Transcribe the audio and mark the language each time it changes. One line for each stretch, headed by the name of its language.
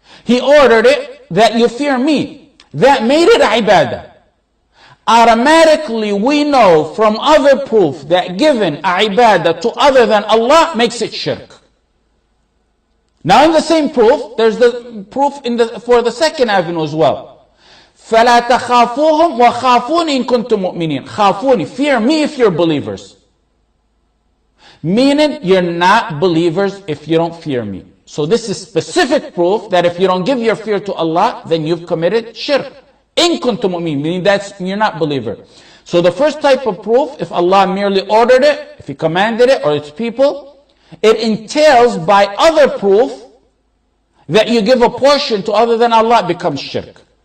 English: He ordered it that you fear me. That made it ibadah. Automatically we know from other proof that given ibadah to other than Allah makes it shirk. Now in the same proof, there's the proof in the for the second avenue as well.
Arabic: فَلَا تَخَافُوهُمْ وَخَافُونِ إِن كُنْتُمْ مُؤْمِنِينَ. خَافُونِ,
English: fear me if you're believers. Meaning, you're not believers if you don't fear me. So this is specific proof that if you don't give your fear to Allah, then you've committed shirk. In kuntum mu'min, meaning that's you're not believer. So the first type of proof, if Allah merely ordered it, if He commanded it, or its people, it entails by other proof that you give a portion to other than Allah, it becomes shirk.